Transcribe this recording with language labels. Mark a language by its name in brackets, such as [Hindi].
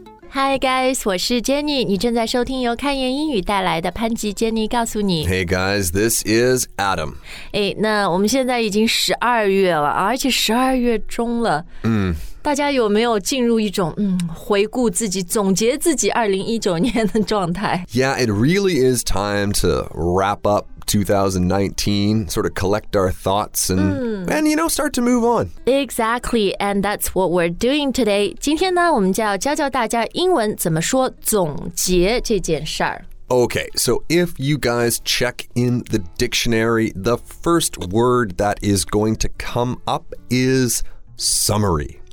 [English] Hi guys, [Chinese] 我是 Jenny, 你正在收听由看言英语带来的潘吉 Jenny 告诉你。 [English] Hey guys, this is Adam. [Chinese] 那我们现在已经十二月了，而且十二月中了。大家有没有进入一种回顾自己、总结自己2019年的状态？ [English] Yeah, it really is time to wrap up2019, sort of collect our thoughts and, you know, start to move on. Exactly, and that's what we're doing today. [Chinese] 今天呢，我们就要教教大家英文怎么说总结这件事儿。 [English] Okay, so if you guys check in the dictionary, the first word that is going to come up is summary.